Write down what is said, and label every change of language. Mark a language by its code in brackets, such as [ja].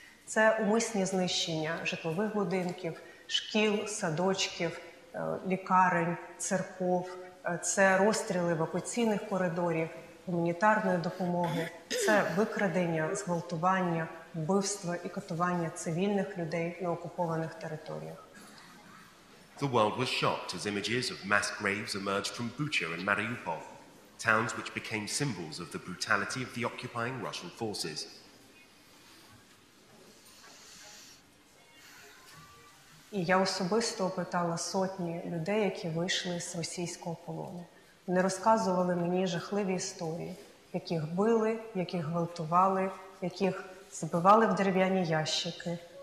[uk] Це умисні знищення житлових будинків, шкіл, садочків, лікарень, церков. Це розстріли евакуаційних коридорів, гуманітарної допомоги. Це викрадення, зґвалтування, вбивства і катування цивільних людей на окупованих територіях. [en] The world was shocked as images of mass graves emerged from Bucha and Mariupol, towns which became symbols of the brutality of the occupying Russian forces. [uk] І я особисто опитала сотні людей, які вийшли з російського полону. Вони розказували мені жахливі історії, яких били, яких гвалтували, яких забивали в дерев'яні ящики.